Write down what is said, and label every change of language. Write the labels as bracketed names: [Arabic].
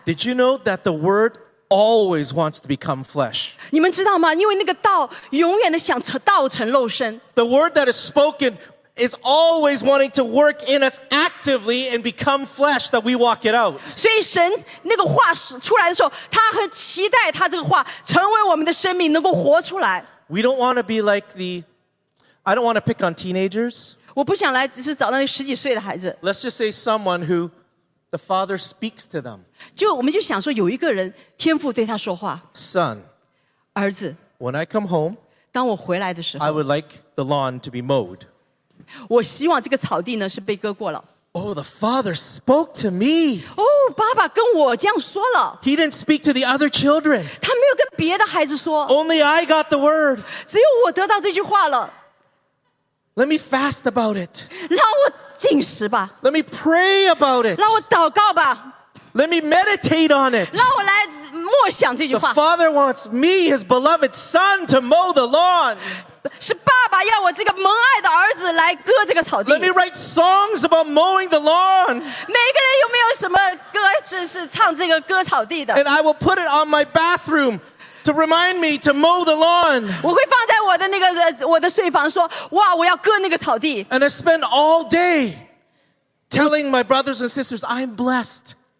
[English] Did you know that the word always wants to become flesh? [Chinese] 你们知道吗? 因为那个道永远的想成道成肉身。 [English] The word that is spoken is always wanting to work in us actively and become flesh that we walk it out. [Chinese] 所以神那个话出来的时候, 他很期待他这个话成为我们的生命能够活出来。 [English] We don't want to be like the, I don't want to pick on teenagers. [Chinese] 我不想来只是找那十几岁的孩子。 [English] Let's just say someone who the father speaks to them. [Chinese] 就我们就想说有一个人天父对他说话。 [English] Son. [Chinese] 儿子, [English] when I come home, [Chinese] 当我回来的时候, [English] I would like the lawn to be mowed. [Chinese] 我希望这个草地呢是被割过了。 [English] Oh, the father spoke to me. [Chinese] Oh, 爸爸跟我这样说了。 [English] He didn't speak to the other children. [Chinese] 他没有跟别的孩子说。 [English] Only I got the word. [Chinese] 只有我得到这句话了。 [English] Let me fast about it. [Chinese] 让我禁食吧。 [English] Let me pray about it. [Chinese] 让我祷告吧。 [English] Let me meditate on it. [Chinese] 让我来默想这句话。 [English] The father wants me, his beloved son, to mow the lawn. [Chinese] 是爸爸要我这个蒙爱的儿子来割这个草地。 [English] Let me write songs about mowing the lawn. [Chinese] 每个人有没有什么歌是唱这个割草地的。 [English] And I will put it on my bathroom to remind me to mow the lawn. [Chinese] 我会放在我的那个我的睡房说，哇，我要割那个草地。 [English] And I spend all day telling my brothers and sisters I'm blessed.